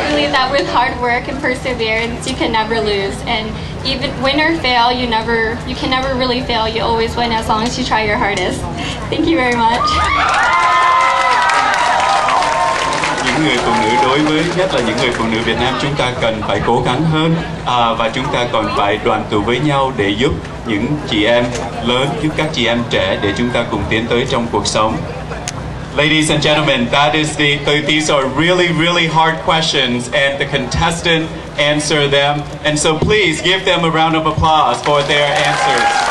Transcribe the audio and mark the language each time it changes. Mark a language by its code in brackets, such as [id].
[en] that with hard work and perseverance you can never lose, and even win or fail, you can never really fail, you always win as long as you try your hardest. Thank you very much. [vi] Những người phụ nữ, đối với nhất là những người phụ nữ Việt Nam, chúng ta cần phải cố gắng hơn và chúng ta còn phải đoàn tụ với nhau để giúp những chị em lớn, giúp các chị em trẻ để chúng ta cùng tiến tới trong cuộc sống. [en] Ladies and gentlemen, these are really, really hard questions, and the contestant answer them. And so please give them a round of applause for their answers.